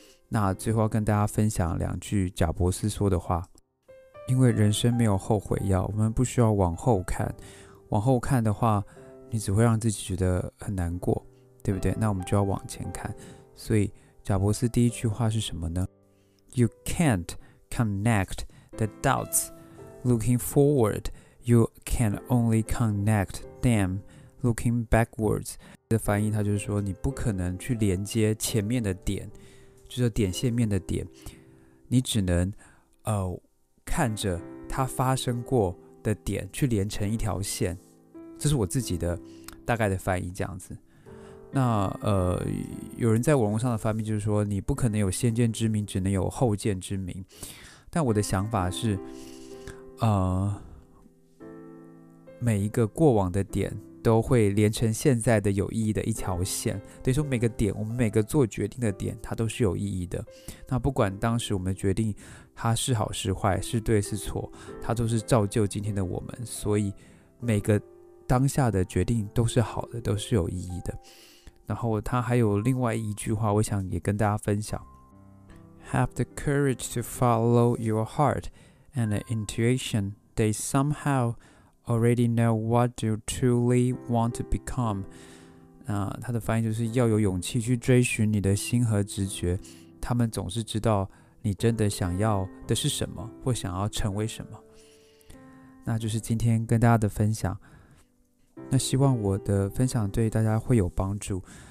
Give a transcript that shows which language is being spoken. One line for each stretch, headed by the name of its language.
Chinese: 那最后要跟大家分享两句贾伯斯说的话，因为人生没有后悔药，我们不需要往后看，往后看的话你只会让自己觉得很难过，对不对？那我们就要往前看。所以贾伯斯第一句话是什么呢？
English: You can't connect the dots looking forward. You can only connect them looking backwards.
Chinese: 的翻译它就是说你不可能去连接前面的点，就是点线面的点，你只能看着它发生过的点去连成一条线。这是我自己的大概的翻译这样子。那有人在网络上的翻译就是说你不可能有先见之明，只能有后见之明。但我的想法是每一个过往的点都会连成现在的有意义的一条线，等于说每个点，我们每个做决定的点它都是有意义的。那不管当时我们决定它是好是坏，是对是错，它都是造就今天的我们，所以每个当下的决定都是好的，都是有意义的。然后他还有另外一句话我想也跟大家分享，
English: Have the courage to follow your heart and the intuition. They somehow already know what you truly want to become.
Chinese: 他的翻译就是要有勇气去追寻你的心和直觉，他们总是知道你真的想要的是什么或想要成为什么。那就是今天跟大家的分享，那希望我的分享对大家会有帮助。